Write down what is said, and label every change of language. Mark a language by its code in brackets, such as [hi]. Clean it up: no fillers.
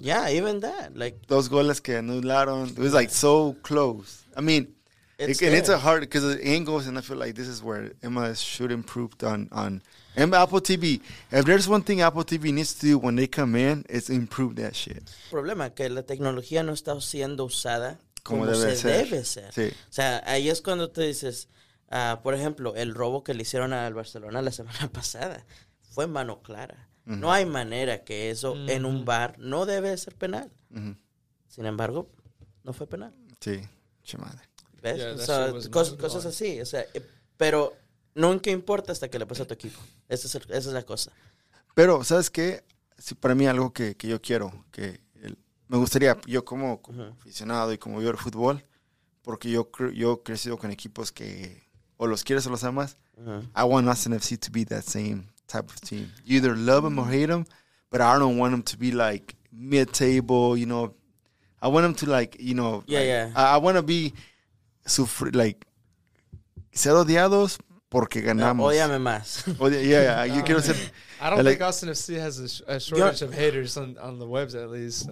[en] Yeah, even that. Like those goals [es] que anularon. [en] It was like so close. I mean. And it's a hard, because the angles, and I feel like this is where MLS should improve on Apple TV. If there's one thing Apple TV needs to do when they come in, it's improve that shit. [es] Problema, que la tecnología no está siendo usada como debe ser. Sí. O sea, ahí es cuando tú dices, por ejemplo, el robo que le hicieron al Barcelona la semana pasada fue mano clara. Mm-hmm. No hay manera que eso mm-hmm. en un VAR no debe ser penal. Mm-hmm. Sin embargo, no fue penal. Sí, chimada. [en] Yeah, so [es] cosas así, o sea, pero Nunca importa hasta que le pase a tu equipo. Esa es la cosa. Pero, ¿sabes qué? Si para mí algo que yo quiero, que me gustaría, yo como aficionado y como viewer de fútbol, porque yo he crecido con equipos que o los quieres o los amas, [en] I want Austin FC to be that same type of team. You either love them or hate them, but I don't want them to be like mid-table, you know. I want them to like, you know. Yeah. I want to be, [es] sufri- [en] like, [es] ser odiados porque ganamos. No, odiame más. [en] You [es] quiero ser... [en] I don't think Austin FC has a shortage of haters on the webs, at least.